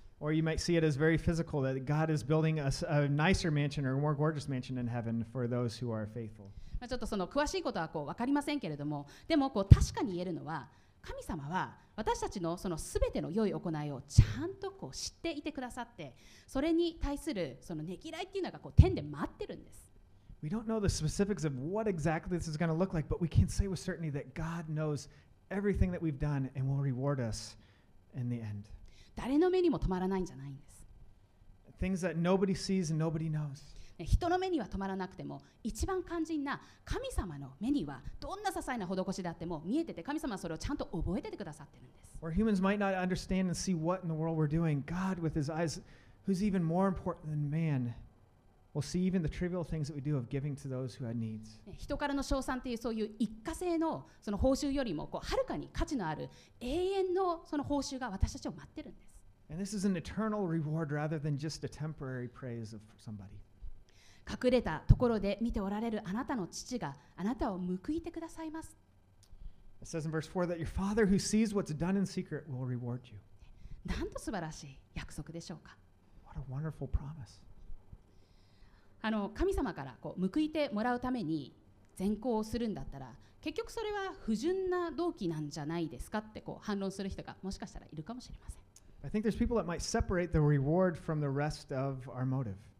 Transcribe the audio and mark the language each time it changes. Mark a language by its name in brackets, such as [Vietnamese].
[English] Or you might see it as very physical that God is building a nicer mansion or a more gorgeous mansion in heaven for those who are faithful. [Japanese] まあちょっとその詳しいことはこう分かりませんけれども、でもこう確かに言えるのは、神様は私たちのそのすべての良い行いをちゃんとこう知っていてくださって、それに対するそのねぎらいっていうのがこう天で待ってるんです。 [English] We don't know the specifics of what exactly this is going to look like, but we can say with certainty that God knows everything that we've done and will reward us in the end. [Japanese] 誰の目にも止まらないんじゃないんです。 [English] Things that nobody sees and nobody knows. [Japanese] 人の目には止まらなくても、一番肝心な神様の目にはどんな些細な施しであっても見えてて、神様はそれをちゃんと覚えててくださってるんです。 [English] Or humans might not understand and see what in the world we're doing. God, with His eyes, who's even more important than man, We'll see even the trivial things that we do of giving to those who have needs. [Japanese] 人からの称賛っていうそういう一過性のその報酬よりもこうはるかに価値のある永遠のその報酬が私たちを待ってるんです。 [English] And this is an eternal reward rather than just a temporary praise of somebody. [Japanese] 隠れたところで見ておられるあなたの父があなたを報いてくださいます。 [English] It says in verse 4 that your father who sees what's done in secret will reward you. [Japanese] なんと素晴らしい約束でしょうか。 [English] What a wonderful promise. [Japanese] あの神様からこう報いてもらうために善行をするんだったら結局それは不純な動機なんじゃないですかってこう反論する人がもしかしたらいるかもしれません。 [English] I think there's people that might separate the reward from the rest of our motive.